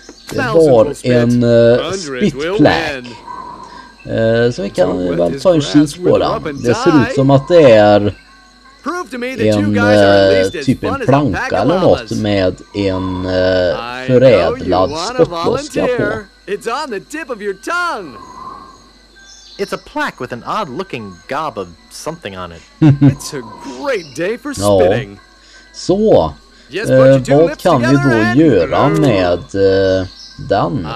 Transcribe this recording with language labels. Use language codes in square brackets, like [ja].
[sv] Det var en spitplack. Så vi kan väl ta en kik på den. Det ser ut som att det är en typ en planka eller något med en förädlad spottloska på. [en] It's on the tip of your tongue. It's a plaque with an odd looking gob of something on it. It's a great day for spitting. [sv] Så, vad kan vi då göra med den?